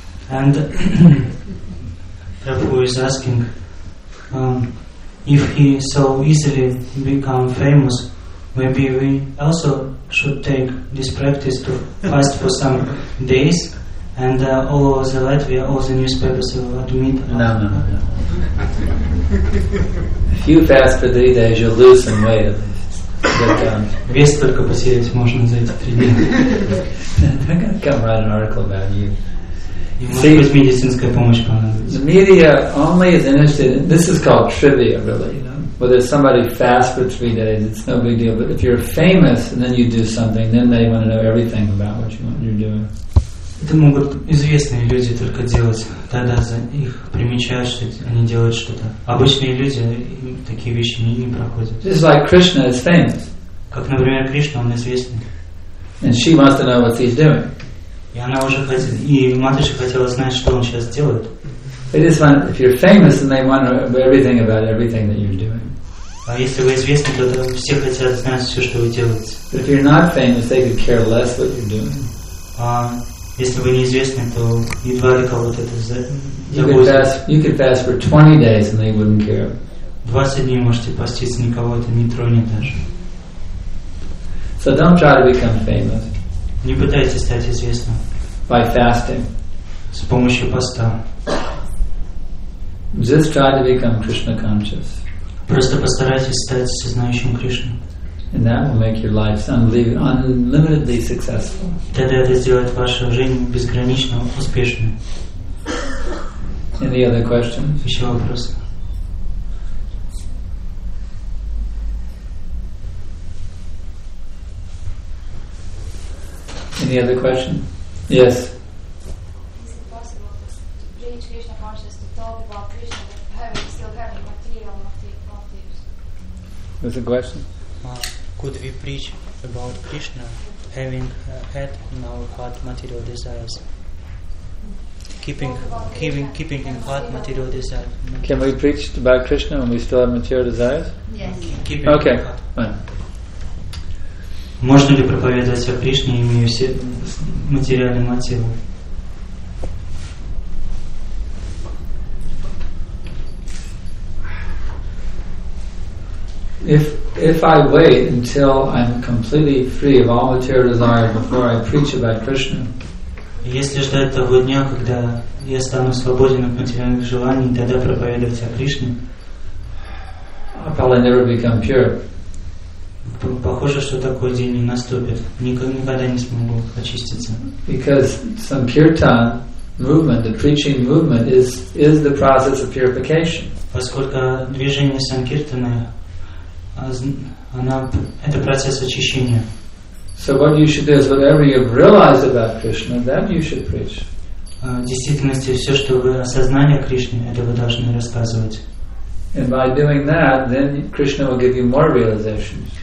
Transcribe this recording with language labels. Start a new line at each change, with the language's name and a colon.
English: And Prabhu is asking, if he so easily become famous, maybe we also should take this practice to fast for some days. And all over the Latvia, all the newspapers will admit. No. If you fast for 3 days, you'll lose some weight. Get down.
Russian: Вес только потерять можно за эти 3 дня.
English: They're gonna come write an article about you.
Russian: See, медицинская помощь понадобится.
English: The media only is interested in, this is called trivia, really. You know, whether somebody fasts for 3 days, it's no big deal. But if you're famous and then you do something, then they want to know everything about what you're doing.
Russian: Это могут известные люди только делать. Тогда за их примечают, что они делают что-то. Обычные люди такие вещи не проходят.
English: It's like Krishna is famous.
Russian: Как, например, Кришна, он известный.
English: And she wants to know what he's doing.
Russian: И она уже хотела, и Матыша хотела знать, что он сейчас делает.
English: It is fun. If you're famous, then they want to know everything about everything that you're doing.
Russian: А если вы известны, то все хотят знать все, что вы делаете.
English: But if you're not famous, they could care less what you're doing.
Russian: Если вы неизвестны, то едва ли кого-то это заботит.
English: You could fast for 20 days and they wouldn't care.
Russian: 20 дней можете поститься, никого это не тронет даже.
English: So don't try to become famous.
Russian: Не пытайтесь стать известным.
English: By fasting.
Russian: С помощью поста.
English: Just try to become Krishna conscious.
Russian: Просто постарайтесь стать сознающим Кришну.
English: And that will make your life unlimitedly successful.
Russian: Тогда это сделает вашу жизнь безгранично успешной.
English: Any other questions?
Russian: Еще вопросы?
English: Any other question? Yes. Is it possible to reach Krishna consciousness, to talk about Krishna, but still having material motives? There's a question. Could we preach about Krishna having had in our heart material desires? Keeping in heart material desires. Can we preach about Krishna when we still have material desires? Yes. Okay. Fine.
Russian: Можно ли проповедовать о Кришне, имея все материальные мотивы?
English: If I wait until I'm completely free of all material desire before I preach about Krishna,
Russian: если ждать того дня, когда я стану свободен от материальных желаний, тогда проповедовать о Кришне,
English: I'll probably never become pure.
Russian: Похоже, что такой день не наступит. Никогда не смогу очиститься.
English: Because Sankirtan movement, the preaching movement, is the process of purification.
Russian: Поскольку движение Санкиртана, это процесс очищения.
English: So what you should do is whatever you've realized about Krishna, that you should preach.
Russian: В действительности, все, что вы осознали о Кришне, это вы должны рассказывать.
English: And by doing that, then Krishna will give you more realizations.